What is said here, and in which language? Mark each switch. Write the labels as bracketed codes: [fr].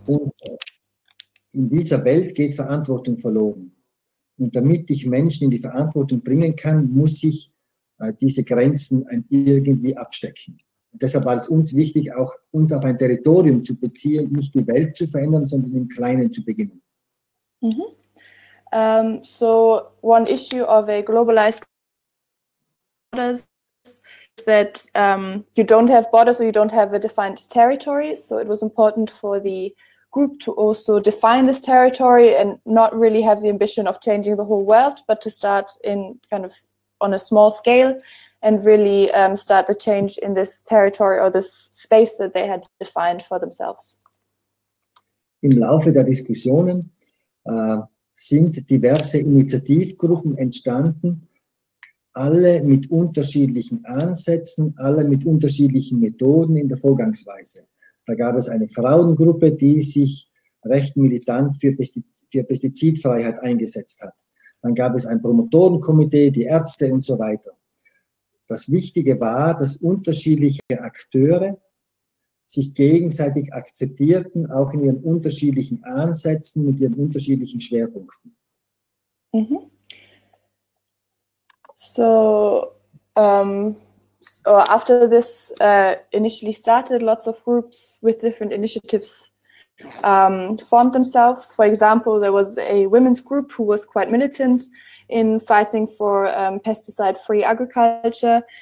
[de] Und in dieser Welt geht Verantwortung verloren. Und damit ich Menschen in die Verantwortung bringen kann, muss ich diese Grenzen irgendwie abstecken. Und deshalb war es uns wichtig, auch uns auf ein Territorium zu beziehen, nicht die Welt zu verändern, sondern im Kleinen zu beginnen. Mhm. [en] So one issue of a globalized borders is that you don't have borders or you don't have a defined territory. So it was important for the group to also define this territory and not really have the ambition of changing the whole world, but to start in kind of on a small scale and really start the change in this territory or this space that they had defined for themselves. [de] Im Laufe der Diskussionen sind diverse Initiativgruppen entstanden, alle mit unterschiedlichen Ansätzen, alle mit unterschiedlichen Methoden in der Vorgangsweise. Da gab es eine Frauengruppe, die sich recht militant für Pestizidfreiheit eingesetzt hat. Dann gab es ein Promotorenkomitee, die Ärzte und so weiter. Das Wichtige war, dass unterschiedliche Akteure sich gegenseitig akzeptierten, auch in ihren unterschiedlichen Ansätzen, mit ihren unterschiedlichen Schwerpunkten. Mm-hmm. [en] So after this initially started, lots of groups with different initiatives formed themselves. For example, there was a women's group who was quite militant in fighting for pesticide-free agriculture.